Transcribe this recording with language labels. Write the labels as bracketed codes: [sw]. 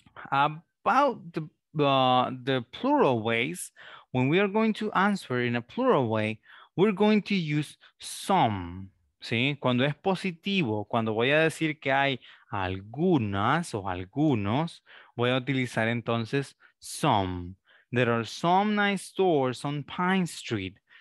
[en] About the plural ways, when we are going to answer in a plural way, we're going to use some. [es] ¿Sí? Cuando es positivo, cuando voy a decir que hay algunas o algunos, voy a utilizar entonces some. [en] There are some nice stores on Pine Street.